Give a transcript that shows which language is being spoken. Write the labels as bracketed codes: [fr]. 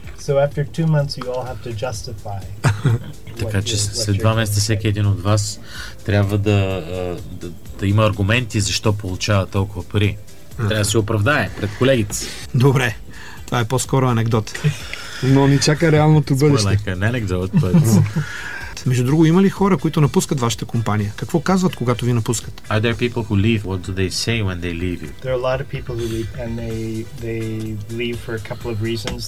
[en] So after 2 months you all have to justify. [bg] Така че след 2 месеца всеки един от вас трябва да има аргументи защо получава толкова пари. Трябва да се оправдае пред колегите. Добре, това е по-скоро анекдот. Но ни чака реалното бъдеще. [en] Like an anecdote, but... [bg] Между друго, има ли хора, които напускат вашата компания? Какво казват, когато ви напускат? [en] Are there people who leave? What do they say when they leave you? There are a lot of people who leave and they leave for a couple of reasons.